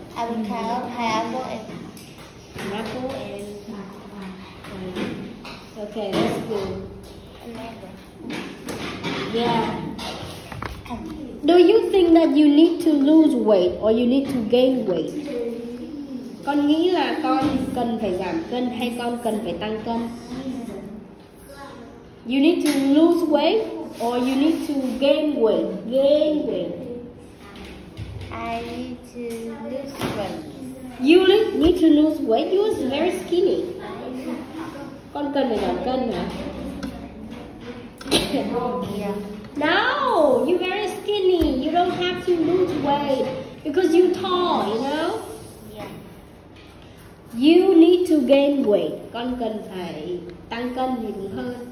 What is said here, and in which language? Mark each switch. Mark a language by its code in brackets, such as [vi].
[en] Avocado, pineapple, and okay, that's good. Yeah. Do you think that you need to lose weight or you need to gain weight? [vi] Con nghĩ là con cần phải giảm cân hay con cần phải tăng cân? [en] You need to lose weight or you need to gain weight? Gain weight. I need to lose weight. You need to lose weight. You are very skinny. [vi] Con cần phải giảm cân hả? [en] Yeah. No, you're very skinny. You don't have to lose weight because you're tall, you know? Yeah. You need to gain weight. [vi] Con cần phải tăng cân thì đúng hơn.